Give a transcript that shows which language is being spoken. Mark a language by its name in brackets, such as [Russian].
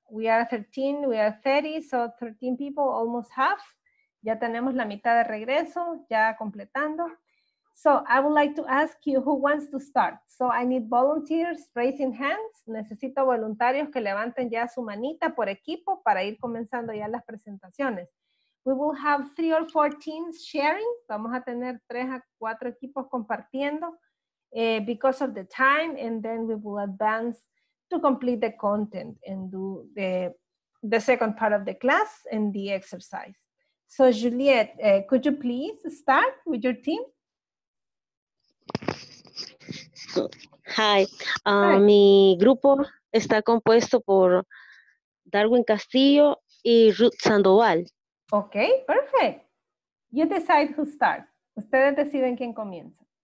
[English] We are 13, we are 30, so 13 people, almost half. [Spanish] Ya tenemos la mitad de regreso, ya completando. [English] So I would like to ask you who wants to start. So I need volunteers raising hands. [Spanish] Necesito voluntarios que levanten ya su manita por equipo para ir comenzando ya las presentaciones. [English] We will have 3 or 4 teams sharing. [Spanish] Vamos a tener 3 a 4 equipos compartiendo [English] because of the time, and then we will advance to complete the content and do the second part of the class and the exercise. So Juliet, could you please start with your team? Hi. [Spanish] Hi, mi grupo está compuesto por Darwin Castillo y Ruth Sandoval. [English] Ok, perfect. You decide who starts. [Spanish] Ustedes deciden quién comienza.